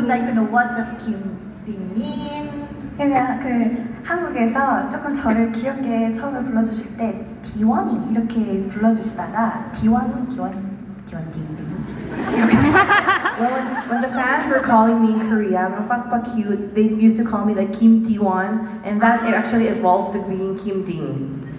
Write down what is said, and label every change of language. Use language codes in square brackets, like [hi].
[en] Would like to know what does Kim Ding mean? [ko] 그냥 그 한국에서 조금 저를 귀엽게 처음에 불러주실 때 디원이 이렇게 불러주시다가 디원 딩딩. [en] When the fans were calling me in Korea, cute, they used to call me like Kim Ji-won, and that it actually evolved to being Kim Ding.